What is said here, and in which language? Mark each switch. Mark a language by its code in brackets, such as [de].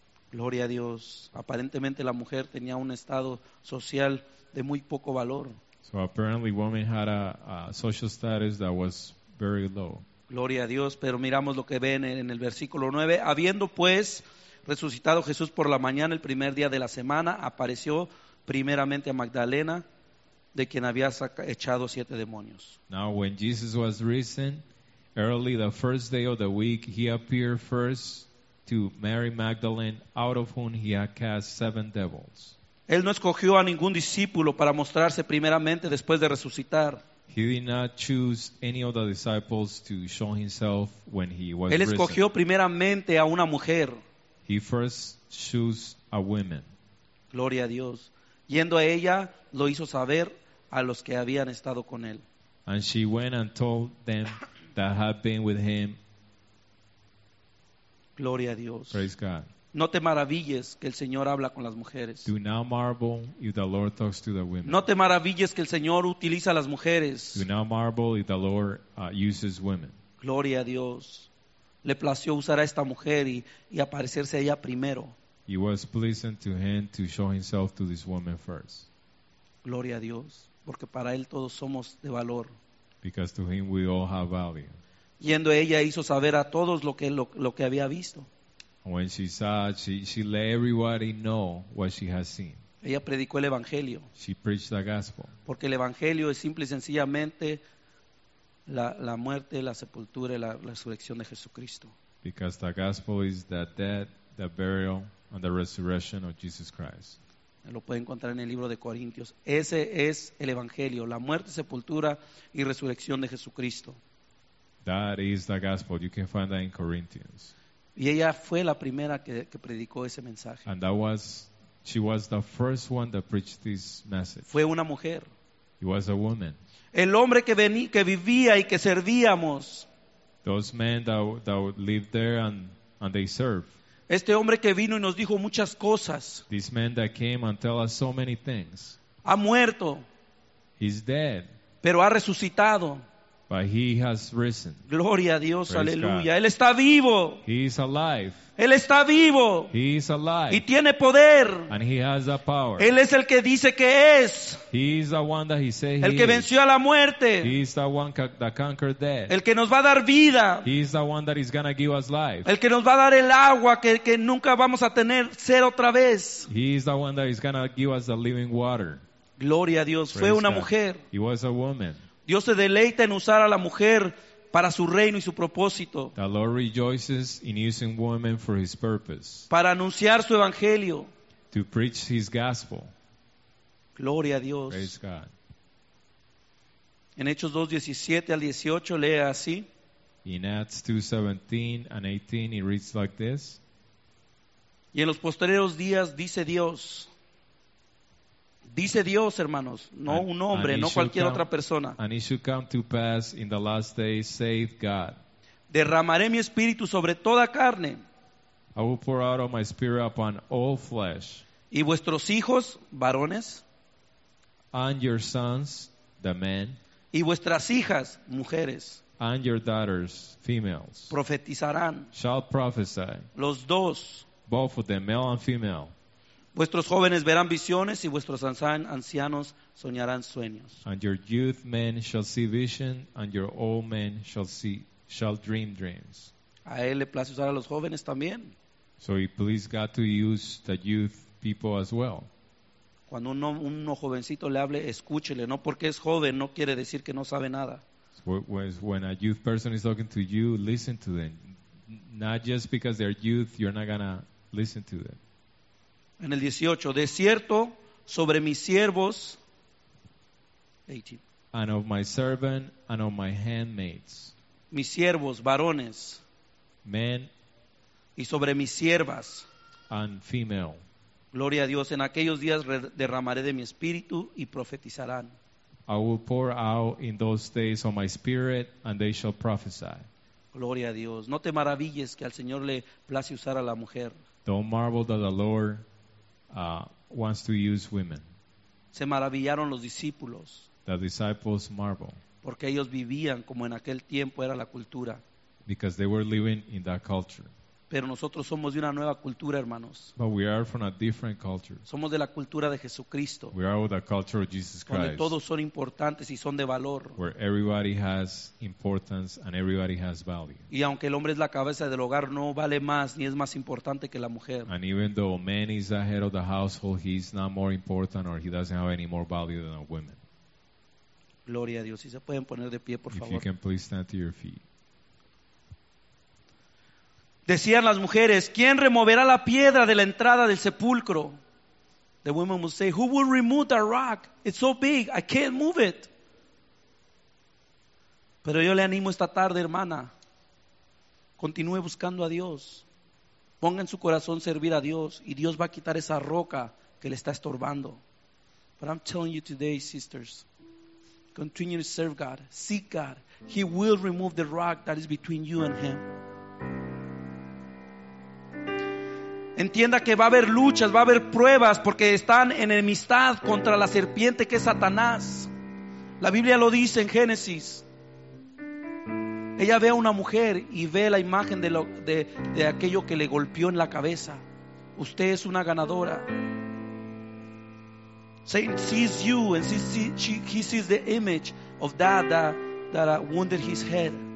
[es] Gloria a Dios. Aparentemente la mujer tenía un estado social de muy poco valor. [en] So apparently woman had a social status that was very low. [es] Gloria a Dios, pero miramos lo que ven en el versículo 9. Habiendo pues resucitado Jesús por la mañana, el primer día de la semana, apareció primeramente a Magdalena, de quien había echado siete demonios. [en] Now when Jesus was risen, early the first day of the week, he appeared first to Mary Magdalene, out of whom he had cast seven devils. [es] Él no escogió a ningún discípulo para mostrarse primeramente después de resucitar. [en] He did not choose any of the disciples to show himself when he was risen. [es] Él escogió primeramente a una mujer. [en] He first chose a woman. [es] Gloria a Dios. Yendo a ella, lo hizo saber a los que habían estado con él. [en] And she went and told them that had been with him. [es] Gloria a Dios. [en] Praise God. [es] No te maravilles que el Señor habla con las mujeres. [en] Do not marvel if the Lord talks to the women. [es] No te maravilles que el Señor utiliza a las mujeres. [en] Do not marvel if the Lord uses women. [es] Gloria a Dios. Le plació usar a esta mujer y aparecerse a ella primero. [en] He was pleasing to him to show himself to this woman first. [es] Gloria a Dios, porque para él todos somos de valor. [en] Because to him we all have value. [es] Yendo ella hizo saber a todos lo que había visto. [en] When she saw, she let everybody know what she has seen. [es] Ella predicó el evangelio. [en] She preached the gospel. [es] Porque el evangelio es simple y sencillamente la muerte, la sepultura y la resurrección de Jesucristo. [en] Because the gospel is the death, the burial, and the resurrection of Jesus Christ. [es] Lo puede encontrar en el libro de Corintios. Ese es el evangelio, la muerte, sepultura y resurrección de Jesucristo. [en] That is the gospel. You can find that in Corinthians. [es] Y ella fue la primera que predicó ese mensaje. [en] And that was, she was the first one that preached this message. [es] Fue una mujer. [en] It was a woman. [es] El hombre que venía, que vivía y que servíamos. [en] Those men that lived there and they served. [es] Este hombre que vino y nos dijo muchas cosas. [en] This man that came and tell us so many things. [es] Ha muerto. [en] He's dead. [es] Pero ha resucitado. [en] But he has risen. [es] Gloria a Dios, [en] praise [es] aleluya. [en] God. [es] Él está vivo. [en] He is alive. [es] Él está vivo. [en] He is alive. [es] Y tiene poder. [en] And he has the power. [es] Él es el que dice que es. [en] He is the one that he said he [es] El que [en] is. [es] Venció a la muerte. [en] He is the one that conquered death. [es] El que nos va a dar vida. [en] He is the one that is going to give us life. [es] El que nos va a dar el agua que nunca vamos a tener sed otra vez. [en] He is the one that is going to give us the living water. [es] Gloria a Dios. [en] Praise [es] Fue una [en] God. [es] Mujer. [en] He was a woman. [es] Dios se deleita en usar a la mujer para su reino y su propósito. [en] The Lord rejoices in using women for his purpose. [es] Para anunciar su evangelio. [en] To preach his gospel. [es] Gloria a Dios. [en] Praise God. [es] En Hechos 2:17 al 18 lee así. [en] In Acts 2:17 and 18 it reads like this. [es] Y en los posteriores días dice Dios. Dice Dios, hermanos, no un hombre, no cualquier otra persona. [en] And it should come to pass in the last days, saith God. [es] Derramaré mi espíritu sobre toda carne. [en] I will pour out of my spirit upon all flesh. [es] Y vuestros hijos, varones. [en] And your sons, the men. [es] Y vuestras hijas, mujeres. [en] And your daughters, females. [es] Profetizarán. [en] Shall prophesy. [es] Los dos. [en] Both of them, male and female. [es] Vuestros jóvenes verán visiones y vuestros ancianos soñarán sueños. [en] And your youth men shall see vision and your old men shall dream dreams. [es] A él le place usar a los jóvenes también. [en] So he pleased God to use the youth people as well. [es] Cuando un jovencito le hable, escúchele, no porque es joven no quiere decir que no sabe nada. [en] When a youth person is talking to you, listen to them. Not just because they're youth, you're not going to listen to them. [es] En el 18, de cierto, sobre mis siervos, 18. [en] And of my servant, and of my handmaids. [es] Mis siervos, varones. [en] Men. [es] Y sobre mis siervas. [en] And female. [es] Gloria a Dios, en aquellos días derramaré de mi espíritu y profetizarán. [en] I will pour out in those days on my spirit, and they shall prophesy. [es] Gloria a Dios, no te maravilles que al Señor le place usar a la mujer. [en] Don't marvel that the Lord wants to use women. [es] Se maravillaron los discípulos. [en] The disciples marveled. [es] Porque ellos vivían como en aquel tiempo era la cultura. [en] Because they were living in that culture. [es] Pero nosotros somos de una nueva cultura, hermanos. [en] But we are from a different culture. [es] Somos de la cultura de Jesucristo. [en] We are of the culture of Jesus Christ. [es] Donde todos son importantes y son de valor. [en] Where everybody has importance and everybody has value. [es] Y aunque el hombre es la cabeza del hogar, no vale más ni es más importante que la mujer. [en] And even though man is the head of the household, he is not more important or he doesn't have any more value than a woman. [es] Gloria a Dios. Si se pueden poner de pie, por favor. [en] If you can please stand to your feet. [es] Decían las mujeres, ¿quién removerá la piedra de la entrada del sepulcro? [en] The women would say, who will remove the rock? It's so big, I can't move it. [es] Pero yo le animo esta tarde, hermana. Continúe buscando a Dios. Ponga en su corazón servir a Dios y Dios va a quitar esa roca que le está estorbando. [en] But I'm telling you today, sisters, continue to serve God. Seek God. He will remove the rock that is between you and Him. [es] Entienda que va a haber luchas, va a haber pruebas, porque están en enemistad contra la serpiente que es Satanás. La Biblia lo dice en Génesis. Ella ve a una mujer y ve la imagen de aquello que le golpeó en la cabeza. Usted es una ganadora. [en] Satan sees you and he sees the image of that wounded his head.